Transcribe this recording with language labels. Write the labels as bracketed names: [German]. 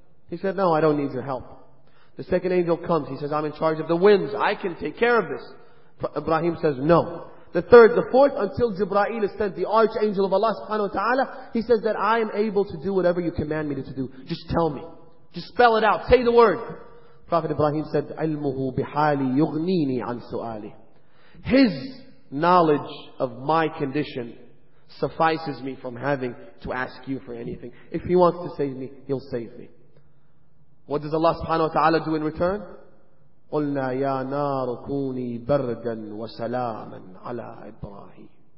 [English] He said, no, I don't need your help. The second angel comes. He says, I'm in charge of the winds. I can take care of this. Ibrahim says, no. The third, the fourth, until Jibreel is sent, the archangel of Allah subhanahu wa ta'ala, he says that I am able to do whatever you command me to do. Just tell me. Just spell it out. Say the word. Prophet Ibrahim said, [Arabic] عِلْمُهُ بِحَالِي يُغْنِينِي عَنْ سُؤَالِي. [English] His knowledge of my condition suffices me from having to ask you for anything. If he wants to save me, he'll save me. What does Allah subhanahu wa ta'ala do in return? [Arabic] قُلْنَا يَا نَارُ كُونِي بَرْدًا وَسَلَامًا عَلَىٰ إِبْرَاهِيمَ.